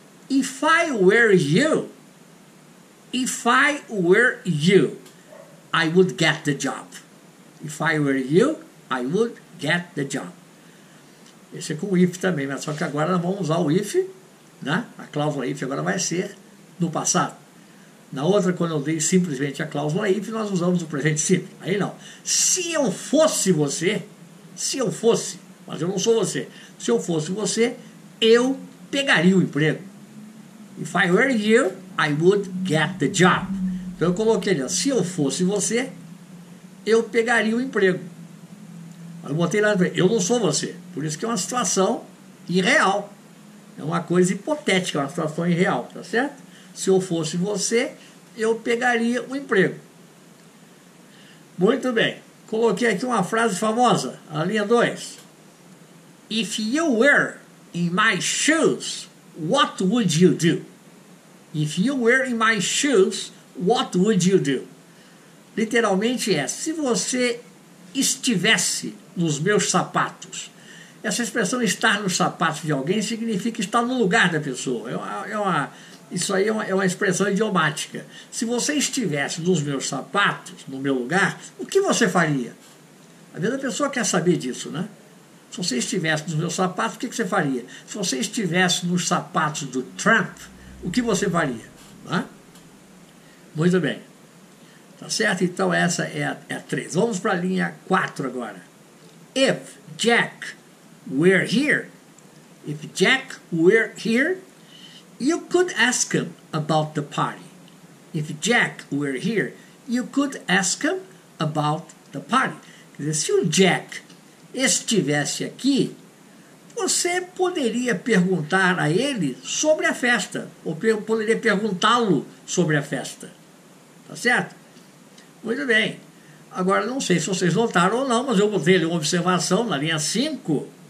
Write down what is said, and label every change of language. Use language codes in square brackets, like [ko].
[en] If I were you, if I were you, I would get the job. If I were you, I would get the job. [pt] Esse é com if também, mas só que agora nós vamos usar o if, né? A cláusula if agora vai ser no passado. Na outra, quando eu dei simplesmente a cláusula if, nós usamos o presente simples. Aí não. Se eu fosse você, se eu fosse, mas eu não sou você, se eu fosse você, eu pegaria o emprego. [en] If I were you, I would get the job. [pt] Então eu coloquei ali, se eu fosse você, eu pegaria o emprego. Eu botei lá, eu não sou você. Por isso que é uma situação irreal. É uma coisa hipotética, uma situação irreal, tá certo? Se eu fosse você, eu pegaria o emprego. Muito bem. Coloquei aqui uma frase famosa, a linha 2. [en] If you were in my shoes, what would you do? If you were in my shoes, what would you do? [pt] Literalmente é, se você estivesse nos meus sapatos. Essa expressão estar nos sapatos de alguém significa estar no lugar da pessoa. Isso aí é uma expressão idiomática. Se você estivesse nos meus sapatos, no meu lugar, o que você faria? Às vezes a pessoa quer saber disso, né? Se você estivesse nos meus sapatos, o que você faria? Se você estivesse nos sapatos do Trump, o que você faria? Hã? Muito bem. Tá certo? Então essa é a 3. Vamos para a linha 4 agora. [en] If Jack were here, if Jack were here, you could ask him about the party. If Jack were here, you could ask him about the party. [pt] Quer dizer, se o Jack estivesse aqui, você poderia perguntar a ele sobre a festa, ou poderia perguntá-lo sobre a festa. Tá certo? Muito bem. Agora, não sei se vocês notaram ou não, mas eu botei ali uma observação na linha 5.